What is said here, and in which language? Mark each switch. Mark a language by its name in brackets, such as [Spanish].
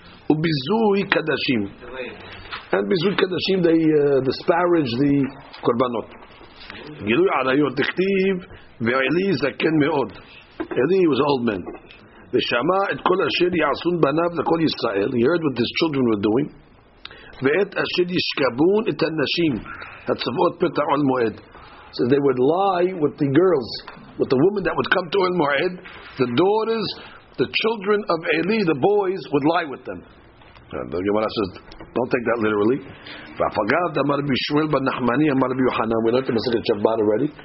[English] Ubizui Kadashim. And Bizui Kadashim, they disparage the Korbanot. [Hebrew] Gilui Arayot, Dikhtiv, Ve'eli Zaken Me'od. [English] Eli was an old man. He heard what his children were doing. [Hebrew] ואת אשר ישכבון את הנשים הצבועות פתע על מועד. [English] So they would lie with the girls, with the woman that would come to Ol Moed, the daughters, the children of Eli, the boys, would lie with them. The Gemara says, don't take that literally. We learned the Masechet Shabbat already.